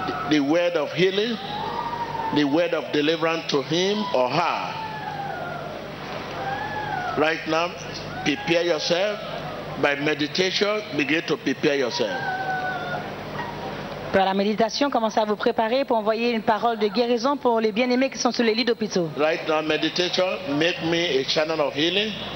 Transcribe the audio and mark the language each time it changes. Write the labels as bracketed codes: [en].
[en] The word of healing, the word of deliverance to him or her. Right now, prepare yourself by meditation. Begin to prepare yourself. [fr] Par la méditation, commencez à vous préparer pour envoyer une parole de guérison pour les bien-aimés qui sont sur les lits d'hôpitaux. [en] Right now, meditation, make me a channel of healing.